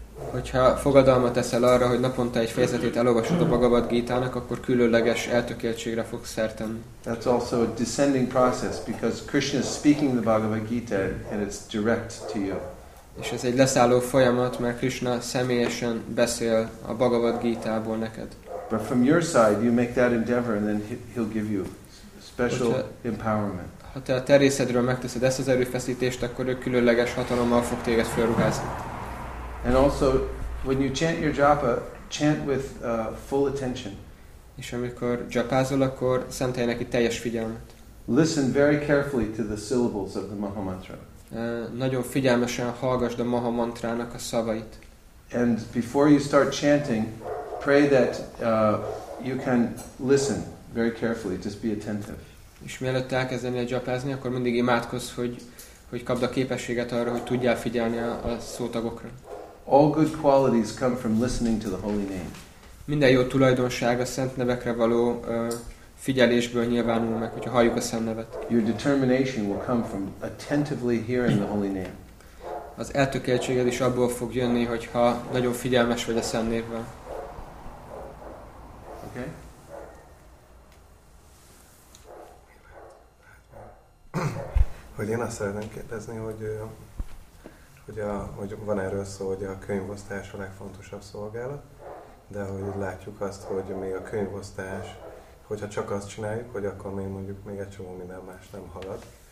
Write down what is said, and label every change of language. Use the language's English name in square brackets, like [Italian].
[Hungarian] Hogyha fogadalmat teszel arra, hogy naponta egy fejezetét elolvasod a Bhagavad Gita-nak, akkor különleges eltökéltségre fogsz szertenni. [English] That's also a descending process because Krishna is speaking the Bhagavad Gita and it's direct to you. [Hungarian] És ez egy leszálló folyamat, mert Krishna személyesen beszél a Bhagavad Gita-ból neked. [English] But from your side you make that endeavor and then he'll give you special empowerment. [Hungarian] Ha te a te részedről megteszed ezt az erőfeszítést, akkor ő különleges hatalommal fog téged felruházni. [English] And also, when you chant your japa, chant with full attention. [Hungarian] És amikor japázol, akkor szentelj neki teljes figyelmet. [English] Listen very carefully to the syllables of the Maha Mantra. [Hungarian] Nagyon figyelmesen hallgasd a Maha Mantrának a szavait. [English] And before you start chanting, pray that you can listen very carefully, just be attentive. [Hungarian] És mielőtt elkezdeni a japázni, akkor mindig imádkozz, hogy kapd a képességet arra, hogy tudjál figyelni a szótagokra. [English] All good qualities come from listening to the holy name. [Hungarian] Minden jó tulajdonság a szent nevekre való figyelésből nyilvánul meg, hogyha halljuk a szent nevet. [English] Your determination will come from attentively hearing the holy name. [Hungarian] Az eltökéltséged is abból fog jönni, hogyha nagyon figyelmes vagy a szent névvel. [English] Okay. [Hungarian] Hogy én azt szeretném kérdezni, hogy van erről szó, hogy a könyvosztás a legfontosabb szolgálat, de hogy látjuk azt, hogy még a könyvosztás, hogyha csak azt csináljuk, hogy akkor még mondjuk még egy csomó minden más nem halad.